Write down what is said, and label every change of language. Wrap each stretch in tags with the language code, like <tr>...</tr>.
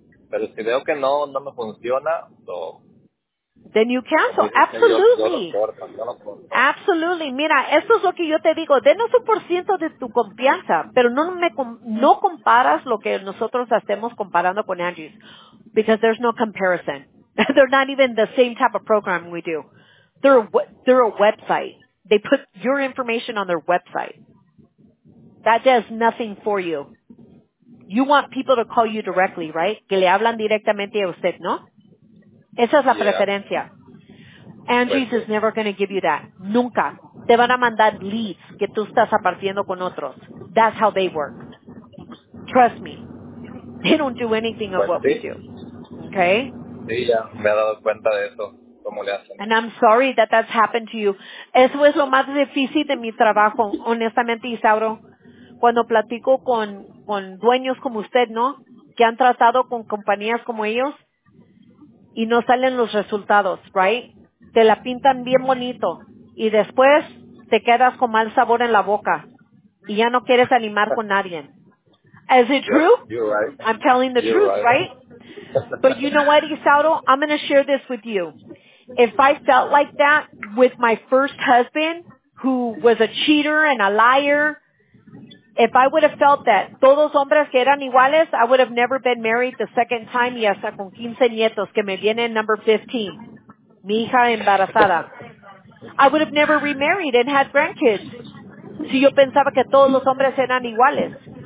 <es>Pero si veo que no me funciona, no.</es> <en>Then you cancel. Absolutely. Absolutely.</en> <es>Mira, eso es lo que yo te digo. Denos 1% de tu confianza, pero no comparas lo que nosotros hacemos comparando con Angie's.</es> <en>Because there's no comparison. They're not even the same type of program we do. They're a website. They put your information on their website. That does nothing for you. You want people to call you directly, right?</en> <es>Que le hablan directamente a usted, ¿no? Esa es la preferencia.</es> <en>Angie's is never going to give you that.</en> <es>Nunca. Te van a mandar leads que tú estás apartiendo con otros.</es> <en>That's how they work. Trust me. They don't do anything of what we do. Okay?</en> <es>Sí, ya. Me he dado cuenta de eso. ¿Cómo le hacen?</es> <en>And I'm sorry that that's happened to you.</en> <es>Eso es lo más difícil de mi trabajo. Honestamente, Isauro, cuando platico con dueños como usted, ¿no? Que han tratado con compañías como ellos, y no salen los resultados,</es> <en>right?</en> <es>Te la pintan bien bonito. Y después te quedas con mal sabor en la boca. Y ya no quieres animar con nadie.</es> <en>Is it true? You're right. I'm telling the truth, right? But you know what, Isauro? I'm going to share this with you. If I felt like that with my first husband, who was a cheater and a liar, if I would have felt that</en> <es>todos hombres que eran iguales,</es> <en>I would have never been married the second time</en> <es>y hasta con 15 nietos que me vienen</es> <en>number 15.</en> <es>Mi hija embarazada.</es> <en>I would have never remarried and had grandkids.</en> <es>Si yo pensaba que todos los hombres eran iguales.</es>